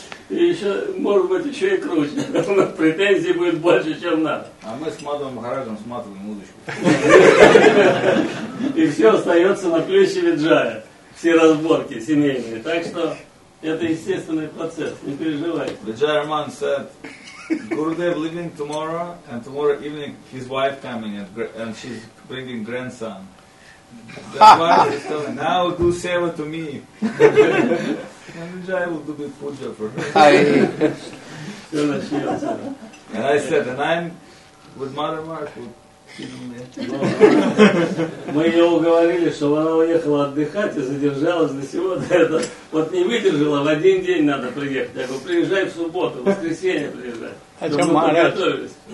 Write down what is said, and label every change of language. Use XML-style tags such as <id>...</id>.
<ru>И еще, может быть, еще и круче. Но претензий будет больше, чем надо. А мы с Мадхавом Махараджем сматываем удочку. И все остается на плече Виджая. Все разборки семейные. Так что это естественный процесс. Не переживайте.</ru> <en>Виджай Роман said, Gurudev leaving tomorrow, and tomorrow evening his wife coming, and she's bringing grandson. That's why he's telling, now do seva to me. And Vijay will do the puja for her. And I said, and I'm with Mother Mark.</en> <ru>Мы ей уговорили, чтобы она уехала отдыхать и задержалась до сегодня. Это вот не выдержала, в один день надо приехать. Я говорю, приезжай в субботу, в воскресенье приезжай. Чтобы мы подготовились.</ru>